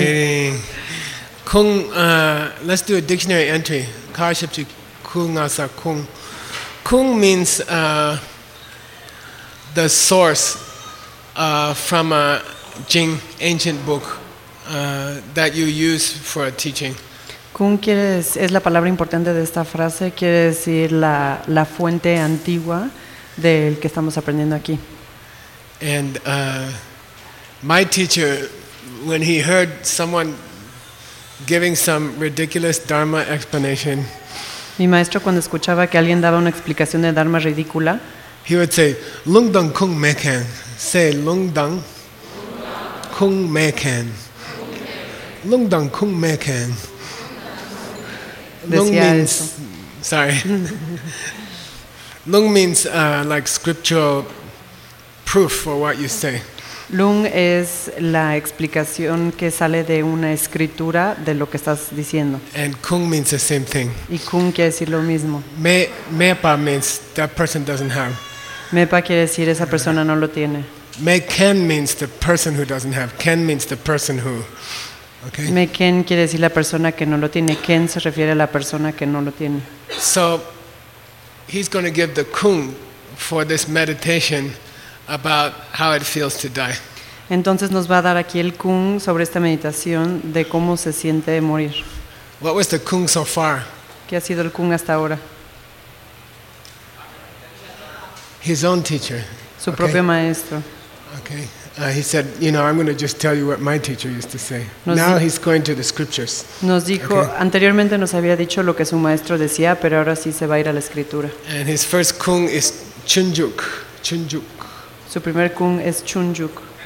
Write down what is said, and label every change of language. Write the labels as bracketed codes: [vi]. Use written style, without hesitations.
[en] Kidding. Kung, let's do a dictionary entry. [bo] Kaship to Kung Asa Kung. [en] Kung means the source from a Jing ancient book that you use for a teaching. [es] Kung quiere, es la palabra importante de esta frase, quiere decir la fuente antigua del que estamos aprendiendo aquí. [en] And my teacher, when he heard someone giving some ridiculous Dharma explanation, [es] mi maestro cuando escuchaba que alguien daba una explicación de Dharma ridícula, [en] he would say, [bo] Lung Dong Kung Me Ken. [en] Say [bo] Lung Dong Kung Me Ken. Lung Dong Kung Me Ken. [en] Lung means, sorry. Lung means like scriptural proof for what you say. [es] Lung es la explicación que sale de una escritura de lo que estás diciendo. [en] And Kung means the same thing. [es] Y Kung quiere decir lo mismo. [en] Mepa means that person doesn't have. [es] Mepa quiere decir esa persona no lo tiene. [en] Meken means the person who doesn't have. Ken means the person who. Okay. [es] Meken quiere decir la persona que no lo tiene. Ken se refiere a la persona que no lo tiene. [en] So he's going to give the Kung for this meditation about how it feels to die. [es] Entonces nos va a dar aquí el Kung sobre esta meditación de cómo se siente de morir. [en] What was the Kung so far? [es] ¿Qué ha sido el Kung hasta ahora? [en] His own teacher. [es] Su propio maestro. [en] Okay. He said, you know, I'm going to just tell you what my teacher used to say. Now he's going to the scriptures. [es] Nos dijo, okay. Anteriormente nos había dicho lo que su maestro decía, pero ahora sí se va a ir a la escritura. [en] And his first Kung is Chunjuk. [bo] Chunjuk. [es] Su primer Kung es Chunjuk.